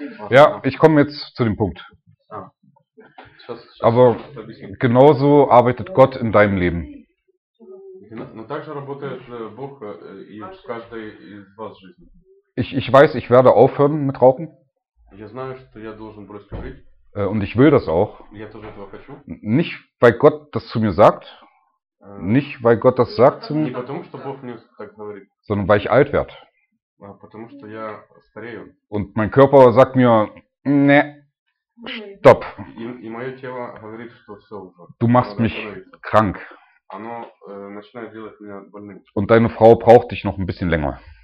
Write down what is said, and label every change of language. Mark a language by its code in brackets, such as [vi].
[de] Ja, ich komme jetzt zu dem Punkt. Aber genauso arbeitet Gott in deinem Leben. [ru] Но также работает Бог и в каждой из вас жизни. [de] Ich weiß, ich werde aufhören mit Rauchen. [ru] Я знаю, что я должен бросить курить. [de] Und ich will das auch. [ru] Я тоже этого хочу. [de] Nicht, weil Gott das zu mir sagt. Nicht, weil Gott das sagt zu mir. [ru] Не потому, что Бог мне так говорит. [de] Sondern, weil ich alt werde. [ru] Потому, что я старею. [de] Und mein Körper sagt mir, ne, stopp. [ru] И мое тело говорит, что все уже. [de] Du machst mich krank. [ru] Оно начинает делать меня больным. [de] Und deine Frau braucht dich noch ein bisschen länger.